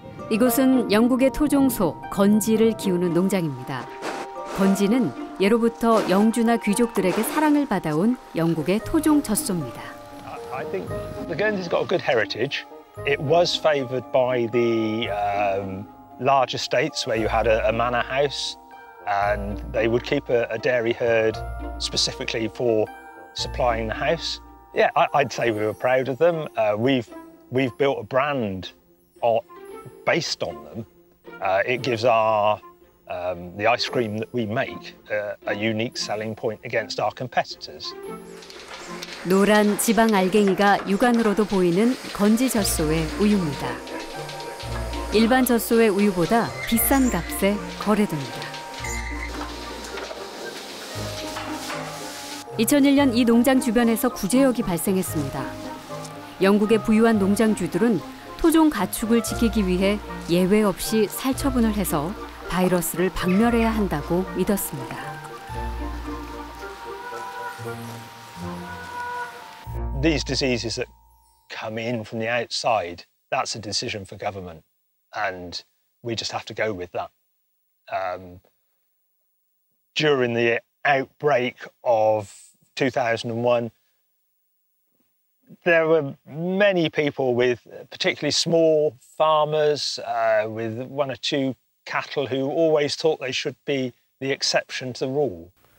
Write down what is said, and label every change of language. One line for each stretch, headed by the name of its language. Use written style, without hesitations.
Korean: 이곳은 영국의 토종소 건지를 기우는 농장입니다. 건지는 예로부터 영주나 귀족들에게 사랑을 받아온 영국의 토종 젖소입니다.
English: I think the Guernsey's got a good heritage. It was favored by the large estates where you had a manor house and they would keep a dairy herd specifically for supplying the house. Yeah, I'd say we were proud of them. We've built a brand based on them. It gives the ice cream that we make a unique selling point against our competitors.
Korean: 노란 지방 알갱이가 육안으로도 보이는 건지 젖소의 우유입니다. 일반 젖소의 우유보다 비싼 값에 거래됩니다. 2001년 이 농장 주변에서 구제역이 발생했습니다. 영국의 부유한 농장주들은 토종 가축을 지키기 위해 예외 없이 살처분을 해서 바이러스를 박멸해야 한다고 믿었습니다.
English: These diseases that come in from the outside, that's a decision for government. And we just have to go with that. During the outbreak of 2001, there were many people with particularly small farmers with one or two cattle who always thought they should be the exception to the rule.